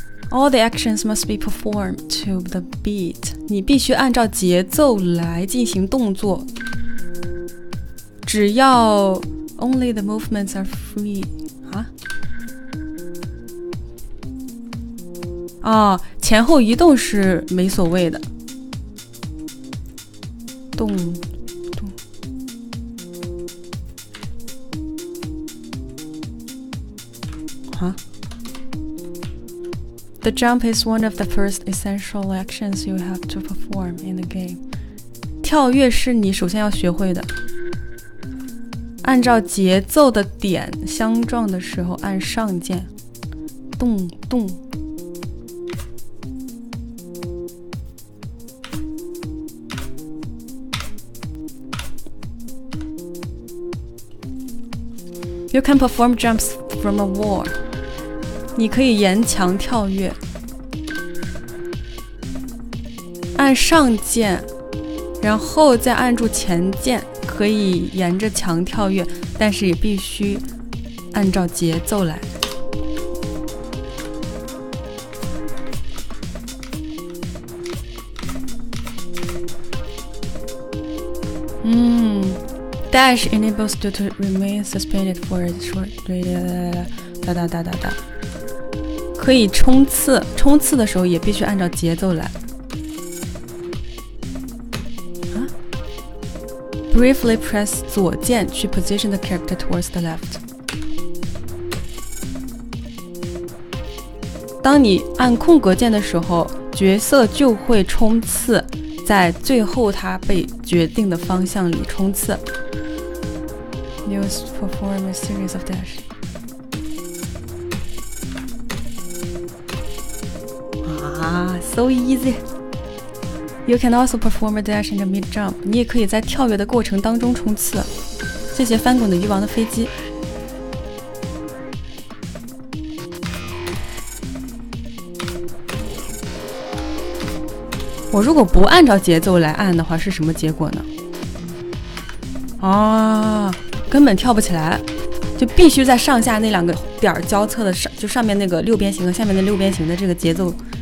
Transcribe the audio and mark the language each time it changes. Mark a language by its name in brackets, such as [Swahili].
[English] All the actions must be performed to the beat。 [Chinese] 你必须按照节奏来进行动作。只要 [English] only the movements are free 啊。 [Chinese] 啊，前后移动是没所谓的。动。 [English] The jump is one of the first essential actions you have to perform in the game. [Chinese] 跳跃是你首先要学会的。按照节奏的点相撞的时候按上键。动动。 [English] You can perform jumps from a wall. [Chinese] 你可以沿墙跳跃，按上键，然后再按住前键，可以沿着墙跳跃，但是也必须按照节奏来。 [English] Dash enables you to remain suspended for a short period. [Chinese] 可以冲刺，冲刺的时候也必须按照节奏来。 [English] 啊、Briefly press [Chinese] 左键去 [English] position the character towards the left。 [Chinese] 当你按空格键的时候，角色就会冲刺，在最后他被决定的方向里冲刺。 [English] News perform a series of dash. So easy. You can also perform a dash in the mid jump. [Chinese] 你也可以在跳跃的过程当中冲刺。谢谢翻滚的鱼王的飞机。我如果不按照节奏来按的话，是什么结果呢？啊，根本跳不起来，就必须在上下那两个点交错的上，就上面那个六边形和下面的六边形的这个节奏。